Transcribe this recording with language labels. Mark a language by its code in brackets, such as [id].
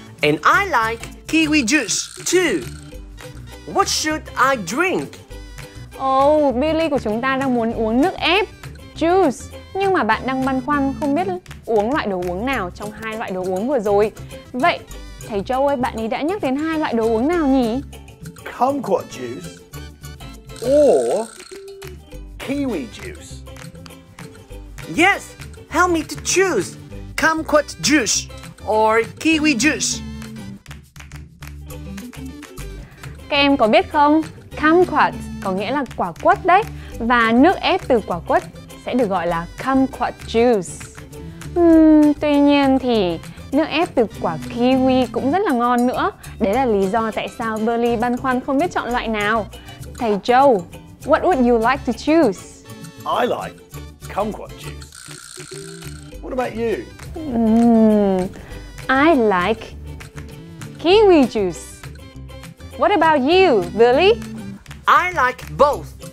[en] And I like kiwi juice too. What should I drink? [vi] Oh, Billy của chúng ta đang muốn uống nước ép, juice. Nhưng mà bạn đang băn khoăn không biết uống loại đồ uống nào trong hai loại đồ uống vừa rồi. Vậy, thầy Joe ơi, bạn ấy đã nhắc đến hai loại đồ uống nào nhỉ? [en] Kumquat juice or kiwi juice. Yes, help me to choose kumquat juice or kiwi juice. [vi] Các em có biết không? Kumquat có nghĩa là quả quất đấy. Và nước ép từ quả quất sẽ được gọi là kumquat juice. Tuy nhiên thì nước ép từ quả kiwi cũng rất là ngon nữa. Đấy là lý do tại sao Billy băn khoăn không biết chọn loại nào. [en] Thầy Joe, what would you like to choose? I like kumquat juice. What about you? I like kiwi juice. What about you, Billy? I like both.